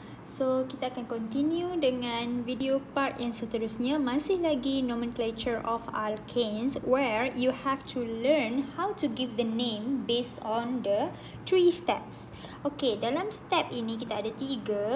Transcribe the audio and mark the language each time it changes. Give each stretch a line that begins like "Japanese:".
Malay: So, kita akan continue dengan video part yang seterusnya. Masih lagi
English: nomenclature of alkanes where you have to learn how to give the name based on the three steps.
Malay: Okay, dalam step ini kita ada tiga.